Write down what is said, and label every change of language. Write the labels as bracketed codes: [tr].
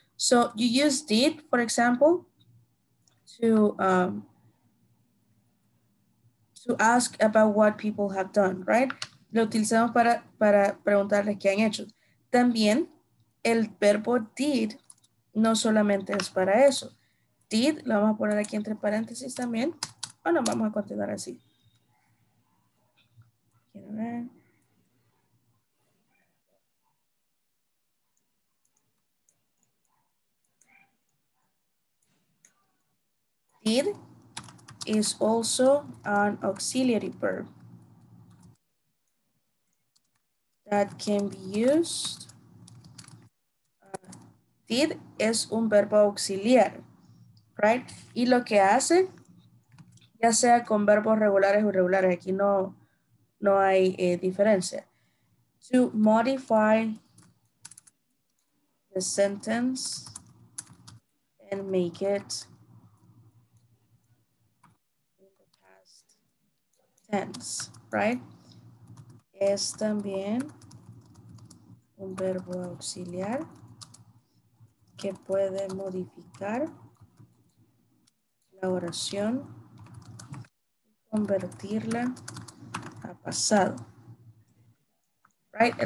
[en] So you use did, for example, to ask about what people have done, right? [es] Lo utilizamos para preguntarles qué han hecho. También el verbo did no solamente es para eso. Did, lo vamos a poner aquí entre paréntesis también. O no, vamos a continuar así. Quiero ver. [en] Did is also an auxiliary verb that can be used. [es] Did es un verbo auxiliar. Right? Y lo que hace, ya sea con verbos regulares o irregulares, aquí no hay diferencia. [en] To modify the sentence and make it in the past tense, right? [es] Es también un verbo auxiliar que puede modificar la oración, convertirla a pasado, right?